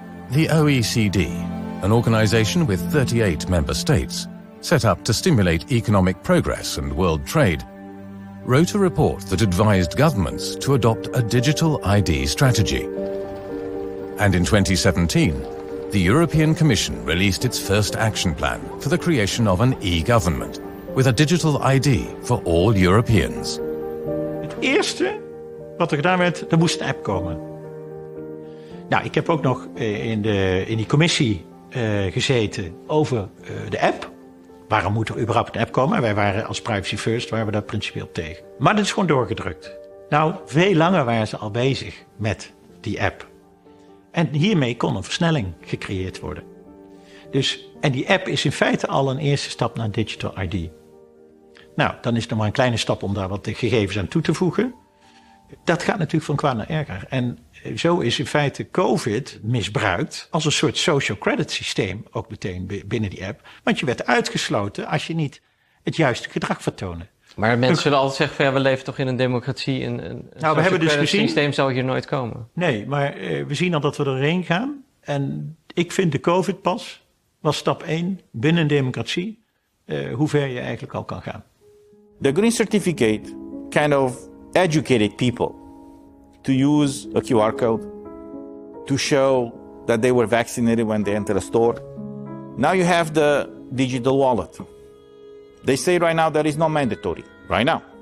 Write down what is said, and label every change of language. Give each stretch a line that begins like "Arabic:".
English: The OECD, an organization with 38 member states, set up to stimulate economic progress and world trade, wrote a report that advised governments to adopt a digital ID strategy. And in 2017, the European Commission released its first action plan for the creation of an e-government with a digital ID for all Europeans.
Dutch: Het eerste wat er gedaan werd, er moest een app komen. Nou, ik heb ook nog in die commissie gezeten over de app. Waarom moet er überhaupt een app komen? En wij waren als Privacy First, waren we daar principieel tegen. Maar dat is gewoon doorgedrukt. Nou, veel langer waren ze al bezig met die app. En hiermee kon een versnelling gecreëerd worden. Dus, en die app is in feite al een eerste stap naar Digital ID. Nou, dan is het nog maar een kleine stap om daar wat gegevens aan toe te voegen. Dat gaat natuurlijk van kwaad naar erger. En zo is in feite COVID misbruikt als een soort social credit systeem, ook meteen binnen die app. Want je werd uitgesloten als je niet het juiste gedrag vertoonde. Maar mensen zullen altijd zeggen, ja, we leven toch in een democratie. Een social credit systeem zou hier nooit komen. Nee, maar we zien al dat we erheen gaan. En ik vind de COVID-pas was stap 1 binnen een democratie. Hoe ver je eigenlijk al kan gaan.
English: The Green Certificate kind of educated people to use a QR code to show that they were vaccinated when they entered a store. Now you have the digital wallet. They say right now that it's not mandatory, right now.